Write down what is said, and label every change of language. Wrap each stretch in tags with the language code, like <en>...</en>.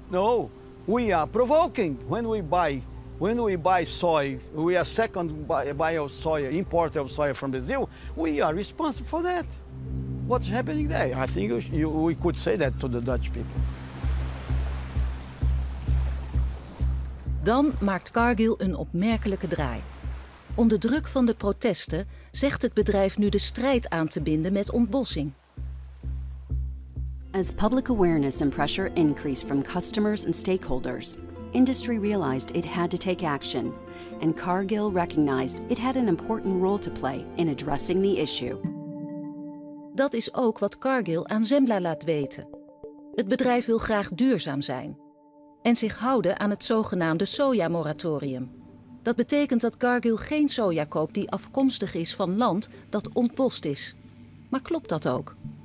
<en>No, we are provoking. When we buy soy, we are second buy of soy, importer of soy from Brazil. We are responsible for that. What's happening there? I think we could say that to the Dutch people.</en> <nl>Dan maakt Cargill een opmerkelijke draai. Onder druk van de protesten zegt het bedrijf nu de strijd aan te binden met ontbossing.</nl> <en>As public awareness and pressure increased from customers and stakeholders, industry realized it had to take action, and Cargill recognized it had an important role to play in addressing the issue.</en> <nl>Dat is ook wat Cargill aan Zembla laat weten. Het bedrijf wil graag duurzaam zijn en zich houden aan het zogenaamde soja-moratorium. Dat betekent dat Cargill geen soja koopt die afkomstig is van land dat ontbost is. Maar klopt dat ook?</nl>